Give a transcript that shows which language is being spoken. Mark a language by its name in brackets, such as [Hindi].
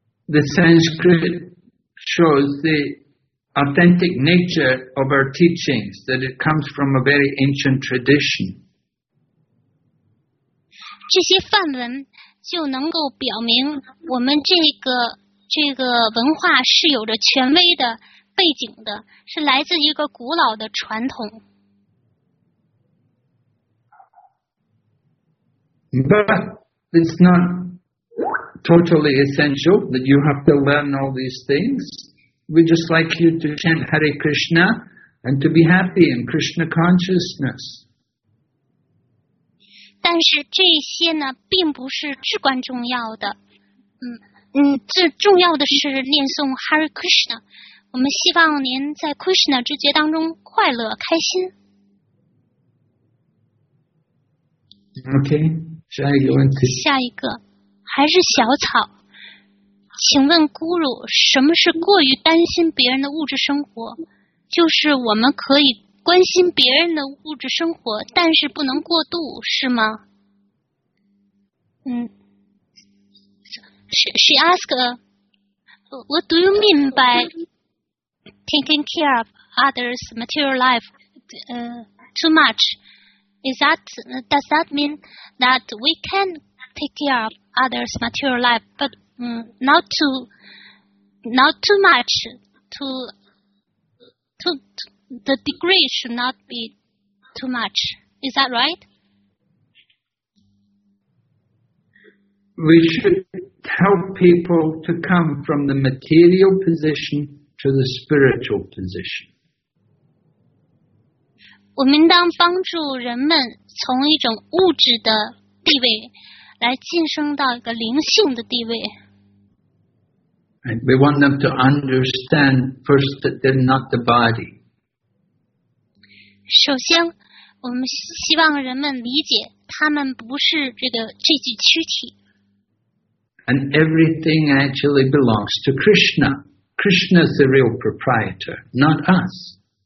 [English] The Sanskrit shows the authentic nature of our teachings, that it comes from a very ancient tradition. [Chinese] 这些梵文就能够表明我们这个文化是有着权威的背景的，是来自一个古老的传统。 [English] But it's not totally essential that you have to learn all these things. We just like you to chant Hare Krishna and to be happy in Krishna consciousness. [Chinese] 但是这些呢并不是至关重要的。最重要的是念诵 Hare Krishna。我们希望您在 Krishna 之觉当中快乐开心。 OK， 下一个问题。下一个还是小草，请问 Guru， 什么是过于担心别人的物质生活？就是我们可以关心别人的物质生活，但是不能过度，是吗？ [English] She asked, what do you mean by taking care of others' material life too much? Does that mean that we can't take care of others' material life, but not too much. The degree should not be too much. Is that right? We should help people to come from the material position to the spiritual position. [Chinese] 我们当帮助人们从一种物质的地位来晋升到一个灵性的地位。 [English] And we want them to understand first that they're not the body. [Chinese] 首先，我们希望人们理解他们不是这具躯体。 [English] And everything actually belongs to Krishna. Krishna is the real proprietor, not us.